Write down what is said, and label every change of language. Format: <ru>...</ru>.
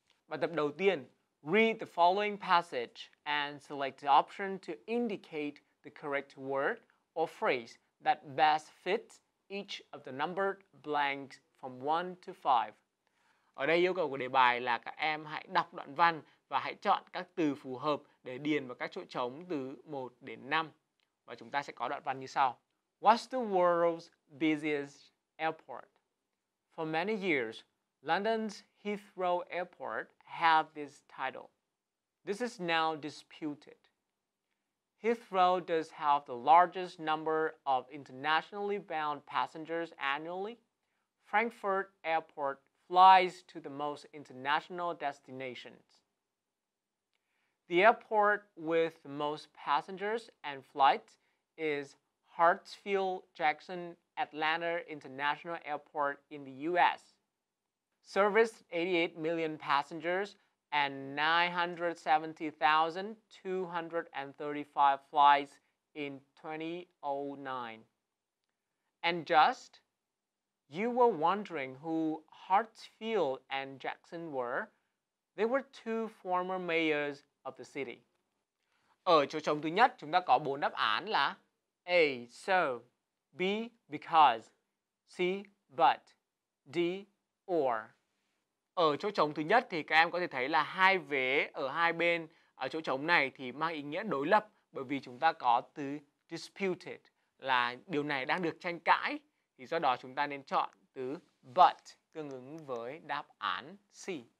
<vi>Bài tập đầu tiên,</vi> <en>read the following passage and select the option to indicate the correct word or phrase that best fits each of the numbered blanks from 1 to 5.</en> <vi>Ở đây yêu cầu của đề bài là các em hãy đọc đoạn văn và hãy chọn các từ phù hợp để điền vào các chỗ trống từ 1 đến 5. Và chúng ta sẽ có đoạn văn như sau.</vi> <en>What's the world's busiest airport? For many years, London's Heathrow Airport have this title. This is now disputed. Heathrow does have the largest number of internationally bound passengers annually. Frankfurt Airport flies to the most international destinations. The airport with the most passengers and flights is Hartsfield-Jackson Atlanta International Airport in the U.S. Serviced 88 million passengers and 970,235 flights in 2009. And just, you were wondering who Hartsfield and Jackson were. They were two former mayors of the city.</en> <vi>Ở chỗ trống thứ nhất, chúng ta có 4 đáp án là</vi> <en>A. So, B. Because, C. But, D. Or.</en> <vi>Ở chỗ trống thứ nhất thì các em có thể thấy là hai vế ở hai bên ở chỗ trống này thì mang ý nghĩa đối lập, bởi vì chúng ta có từ disputed là điều này đang được tranh cãi, thì do đó chúng ta nên chọn từ but tương ứng với đáp án C.</vi>